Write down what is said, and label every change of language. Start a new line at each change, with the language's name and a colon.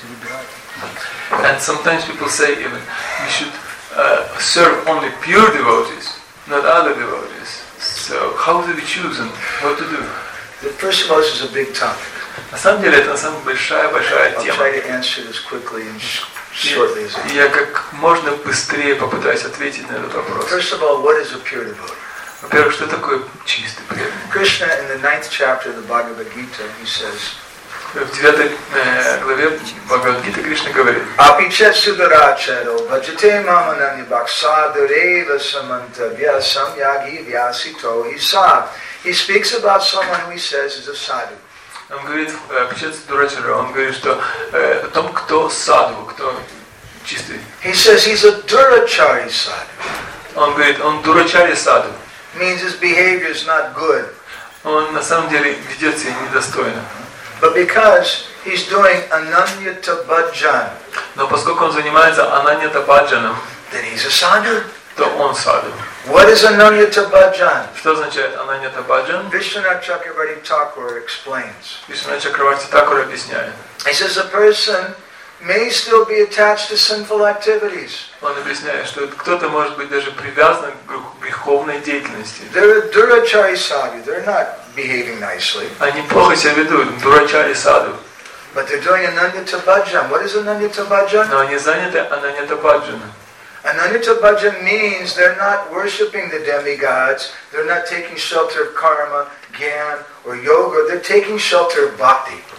English: And sometimes people say even, you should serve only pure devotees, not other devotees. So, how do we choose and what to do? The first of all, this is a big topic.
Russian: На самом деле, это самая большая-большая тема.
English: I'll try to answer this quickly and shortly as I can.
Russian: Я как можно быстрее попытаюсь ответить на этот вопрос.
English: First of all, what is a pure devotee?
Russian: Во-первых, что такое чистый преданный?
English: Krishna, in the ninth chapter of the Bhagavad Gita, he says...
Russian: В девятой главе Бхагавад Гиты Кришна говорит...
Sanskrit: Апиче сударачаро баджите маманани баксадурева самантавья самьяги вьясито иса.
English: He speaks about someone who he says is a sadhu.
Russian: Он говорит, печатается дурачера, он говорит, что о том, кто садху, кто чистый.
English: He says he's a durachari sadhu.
Russian: Он говорит, он дурачари садху.
English: Means his behavior is not good.
Russian: Он на самом деле ведет себя недостойно.
English: But because he's doing ананьята бхаджан.
Russian: Но поскольку он занимается ананьята бхаджаном,
English: then he's a sadhu.
Russian: То он садху.
English: What is ананьята бхаджан?
Russian: Что означает ананьята бхаджан?
English: Вишванатха Чакраварти Такур explains.
Russian: Вишванатха Чакраварти Такур объясняет.
English: He says a person may still be attached to sinful activities.
Russian: Он объясняет, что кто-то может быть даже привязан к греховной деятельности.
English: They're a durachari sadhu. They're not behaving nicely.
Russian: Они плохо себя ведут, дурачари садху.
English: But they're doing ананьята бхаджан. What is ананьята бхаджан?
Russian: Но они заняты ананьята бхаджаном.
English: Ананьята бхаджан means they're not worshipping the demigods, they're not taking shelter of karma, gyan, or yoga, they're taking shelter of bhakti.